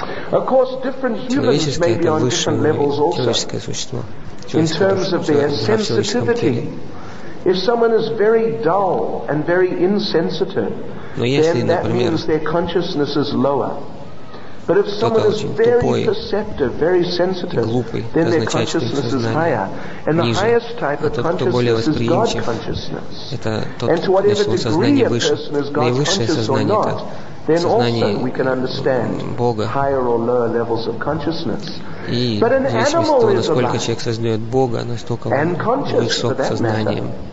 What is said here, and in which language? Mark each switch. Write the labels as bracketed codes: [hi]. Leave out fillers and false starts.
[ru] Человеческое — это высшее уровень, человеческое существо. [en] In terms of their sensitivity, if someone is very dull and very insensitive, then that means their consciousness is lower. But if someone is very perceptive, very sensitive, then their consciousness is higher. And the highest type of consciousness is God consciousness. And to whatever degree a person is God conscious or not, then also we can understand higher or lower levels of consciousness. [ru] И в зависимости от того, насколько человек создает Бога, настолько он высок сознанием.